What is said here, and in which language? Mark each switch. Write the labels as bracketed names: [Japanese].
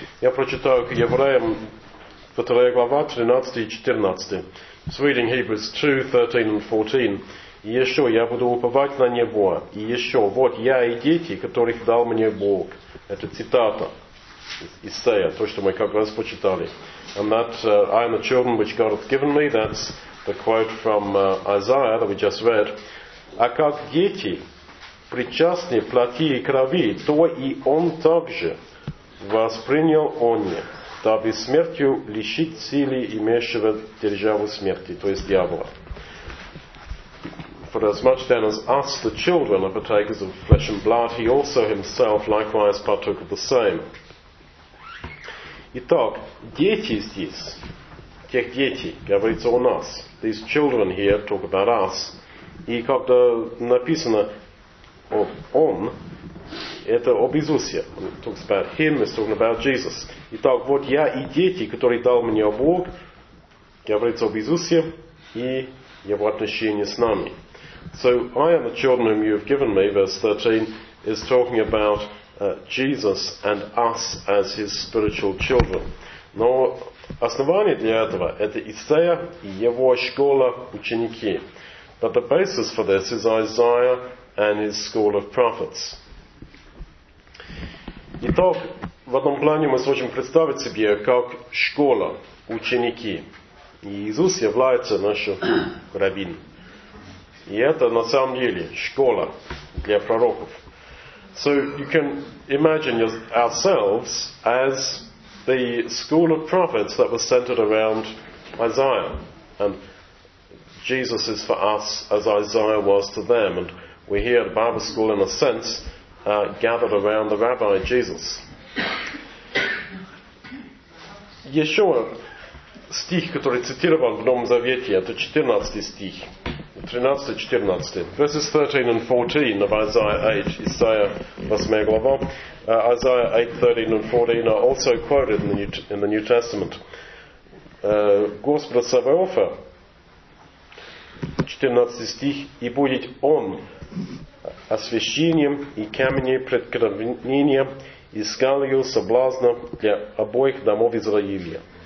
[Russian] Я прочитаю к евреям, вторая глава, 13 и 14. [English] It's reading Hebrews 2:13-14. [Russian] И еще я буду уповать на Него. И еще, вот я и дети, которых дал мне Бог. Это цитата. Исайя, то, что мы как раз почитали. [English] And that I am the children which God hath given me, that's the quote from Isaiah that we just read. [Russian] А как дети причастны плоти и крови, то и он также воспринял они, дабы смертью лишить силы имеющего державу смерти, то есть дьявола. [English] For as much then as us, the children, are partakers of flesh and blood, he also himself likewise partook of the same. [Russian] Итак, дети здесь, тех детей, говорится о нас. [English] These children here talk about us. [Russian] И как-то написано он, это об Иисусе. [English] Talks about him, it's talking about Jesus. [Russian] Итак, вот я и дети, которые дал мне Бог, говорится об Иисусе и его отношении с нами. [English] So I am the children whom you have given me, verse 13, is talking about Jesus and us as his spiritual children. [Russian] Но основание для этого – это Исайя и его школа ученики. [English] But the basis for this is Isaiah and his school of prophets. [Russian] Итак, в одном плане мы сможем представить себе, как школа ученики. И Иисус является нашим раввином. И это на самом деле школа для пророков. [English] So you can imagine ourselves as the school of prophets that was centered around Isaiah. And Jesus is for us as Isaiah was to them. And we're here at the Bible school in a sense gathered around the rabbi Jesus. [Russian] Yeshua, стих, который цитирован в Новом Завете, это 14 стих. [English] 13-14. Verses 13 and 14 of Isaiah 8, [Russian] Исайя 8 глава. [English] Isaiah 8, 13 and 14 are also quoted in the New Testament. [Russian] Господа Саваофа, 14 стих, и будет он освящением и камнем преткновения и скалью соблазна для обоих домов Израиля.